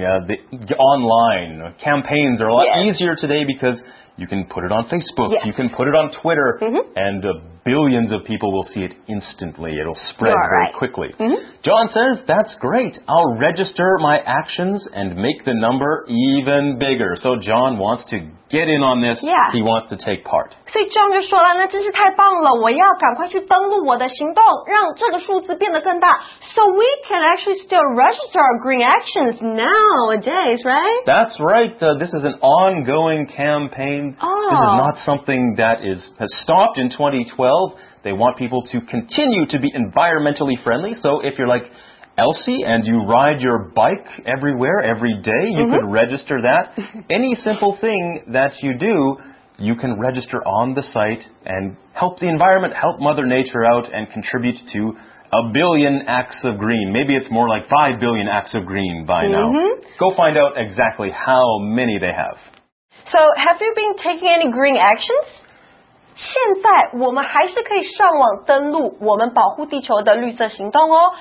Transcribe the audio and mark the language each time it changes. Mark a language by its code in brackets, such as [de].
[en] The online campaigns are a lot easier today because you can put it on Facebook, you can put it on Twitter, and billions of people will see it instantly. It'll spread very quickly. John says, that's great. I'll register my actions and make the number even bigger. So John wants to get in on this. Yeah. He wants to take part. [zh] 所以 John 就说了，那真是太棒了，我要赶快去登录我的行动，让这个数字变得更大。 [en] So we can actually still register our green actions nowadays, right? That's right. This is an ongoing campaign. This is not something that has stopped in 2012. They want people to continue to be environmentally friendly. So if you're like Elsie and you ride your bike everywhere, every day, you could register that. Any simple thing that you do, you can register on the site and help the environment, help Mother Nature out and contribute to a billion acts of green. Maybe it's more like 5 billion acts of green by now. Go find out exactly how many they have. So, have you been taking any green actions? [zh] 现在我们还是可以上网登录我们保护地球的绿色行动哦。